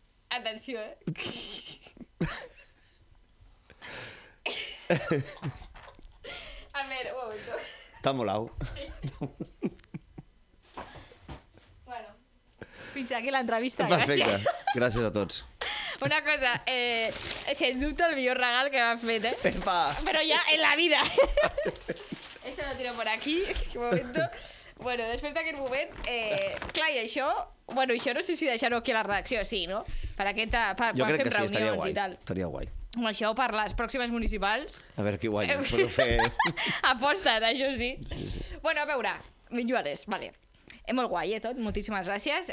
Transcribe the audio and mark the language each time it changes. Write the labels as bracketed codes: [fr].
[ca] Atenció, A veure, un moment. T'ha molau. Bueno, fins aquí l'entrevista. Perfecte, gràcies. Gràcies a tots. Una cosa, sens dubte el millor regal que m'han fet, Epa. Però ja en la vida. [es] Esto lo tiro por aquí, un momento. [ca] Bueno, després d'aquest moment, clar, i això... Bueno, això no sé si deixar-ho aquí a la redacció, sí, no? Per aquesta... Per, jo per crec que reunions, sí, estaria guai. I tal. Estaria guai. Amb això, per les pròximes municipals... A veure qui guanya, podeu fer... Aposta't, això sí. Bueno, a veure, Viñuales, vale. Molt guai, tot. Moltíssimes gràcies.